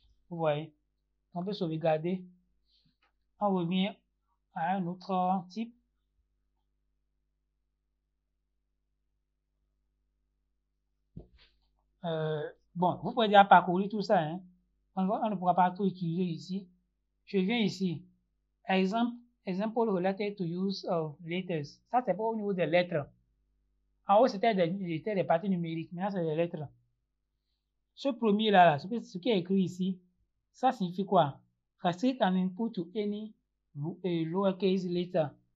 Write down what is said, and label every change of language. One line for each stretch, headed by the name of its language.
French: Vous voyez. On peut sauvegarder. On revient à un autre type. Bon, vous pouvez déjà parcourir tout ça, hein. On ne pourra pas tout utiliser ici. Je viens ici.
English: Example related to use of letters.
French: Ça, c'est pas au niveau des lettres. En haut, c'était des parties numériques. Maintenant, c'est des lettres. Ce premier-là, ce qui est écrit ici, ça signifie quoi?
English: Restrict an input to any lowercase letter.